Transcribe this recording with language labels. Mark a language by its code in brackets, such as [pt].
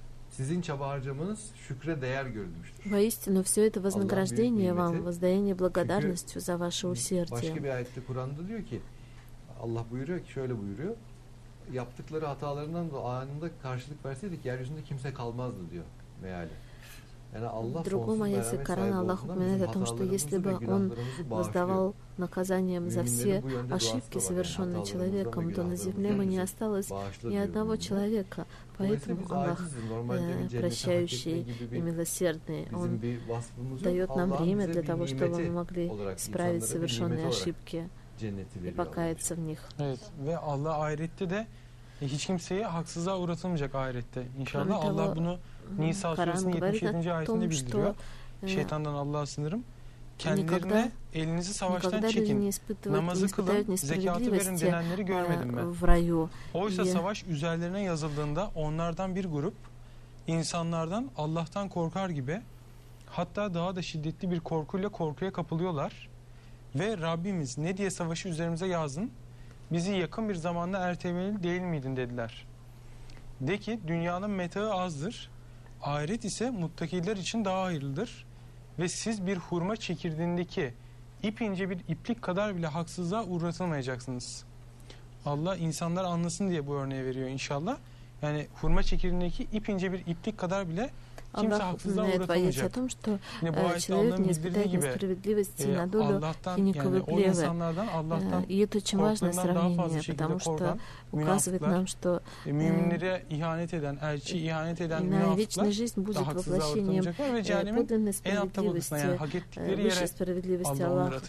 [tr] Sizin çaba harcamanız şükre değer görülmüştür. [ru] Воистину, все это вознаграждение вам, воздаяние благодарностью за ваше усердие. [tr] Başka bir ayette Kur'an'da diyor ki, Allah buyuruyor ki, şöyle buyuruyor. Yaptıkları hatalarından da anında karşılık verseydik yeryüzünde kimse kalmazdı diyor meali. Yani Allah [ru] другому [tr] ayeti Kur'an Allah hükmeder [ru] том, что если бы он воздавал наказанием за все ошибки, совершенные человеком, то на земле бы не осталось ни одного человека. Поэтому Аллах прощающий и милосердный, он дает нам время для того, чтобы мы могли исправить совершенные ошибки и покаяться в них. [tr] Ve Allah ahirette de hiç kimseye haksızlığa uğratılmayacak ahirette. İnşallah Allah bunu Nisa suresinin 77. ayetinde bildiriyor. Şeytandan Allah'a sığınırım. Kendilerine elinizi savaştan çekin. Namazı kılın, zekatı verin denenleri görmedim ben. Oysa savaş üzerlerine yazıldığında onlardan bir grup insanlardan Allah'tan korkar gibi, hatta daha da şiddetli bir korkuyla korkuya kapılıyorlar. Ve Rabbimiz ne diye savaşı üzerimize yazdın? Bizi yakın bir zamanda ertelemeli değil miydin dediler. De ki dünyanın metaı azdır. Ahiret ise muttakiler için daha hayırlıdır. Ve siz bir hurma çekirdeğindeki ipince bir iplik kadar bile haksızlığa uğratılmayacaksınız. Allah insanlar anlasın diye bu örneği veriyor inşallah. Yani hurma çekirdeğindeki ipince bir iplik kadar bile Allah [ru] упоминает в аяте о том, что человек не испытает несправедливости на долю хинековыплевы. И это очень важное сравнение, потому что указывает нам, что на вечную жизнь будет воплощением подлинной справедливости, высшей справедливости Аллаха.